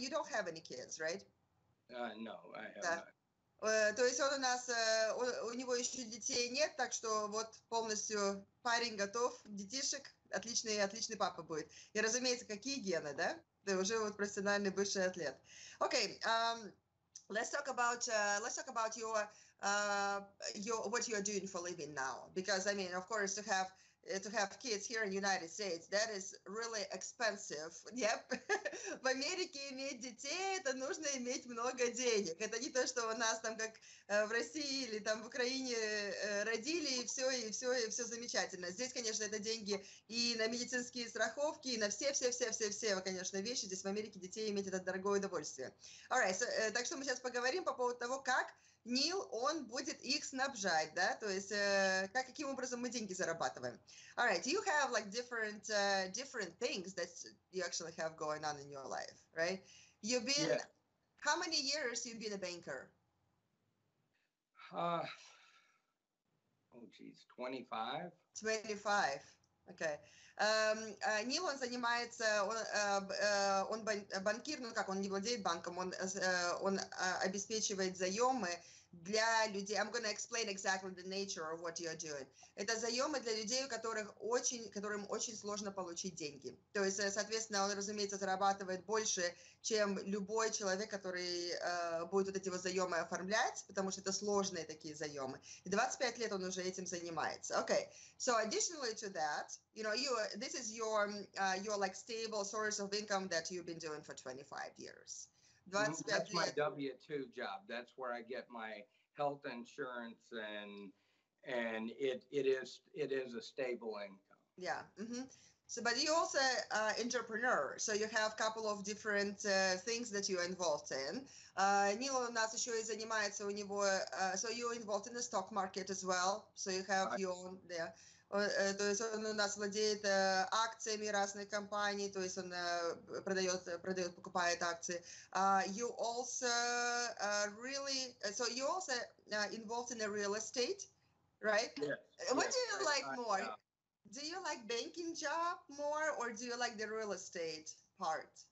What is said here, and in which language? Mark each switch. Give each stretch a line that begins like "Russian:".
English: You don't have any kids, right? No, I have not.
Russian: То есть он у нас, у него еще детей нет, так что вот полностью парень готов, детишек, отличный папа будет. И разумеется, какие гены, да? Ты уже вот профессиональный бывший атлет.
English: Okay, let's talk about what you're doing for a living now. Because, I mean, of course, to have kids here in the United States, that is really expensive. Yep.
Russian: В Америке иметь детей, это нужно иметь много денег. Это не то, что у нас там как в России или там в Украине родили, и все замечательно. Здесь, конечно, это деньги и на медицинские страховки, и на все, конечно, вещи. Здесь в Америке детей иметь — это дорогое удовольствие.
English: All right, so,
Russian: так что мы сейчас поговорим по поводу того, как Нил, он будет их снабжать, да? То есть, каким образом мы деньги зарабатываем?
English: All right, you have like different things that you actually have going on in your life, right? You've been, yes. How many years you've been a banker? Oh geez, 25? 25. Okay.
Russian: Нил, он занимается, он банкир, ну как, он не владеет банком, он обеспечивает заемы для людей.
English: I'm going to explain exactly the nature of what you're doing.
Russian: Это заемы для людей, у которых очень, которым очень сложно получить деньги. То есть, соответственно, он, разумеется, зарабатывает больше, чем любой человек, который будет вот эти вот заемы оформлять, потому что это сложные такие заемы. И 25 лет он уже этим занимается.
English: Okay. So, additionally to that, you know, this is your like stable source of income that you've been doing for 25 years. That's my W-2 job. That's where I get my health insurance, and it is a stable income. Yeah. Mm-hmm. So, but you also entrepreneur. So you have a couple of different things that you're involved in.
Russian: Нил у нас еще и занимается, у него.
English: So you're involved in the stock market as well. So you have your own there.
Russian: То есть он у нас владеет акциями разных компаний, то есть он продает, покупает акции.
English: You also really, so you also involved in the real estate, right? Yes. What yes. do you like more? Do you like banking job more, or do you like the real estate part?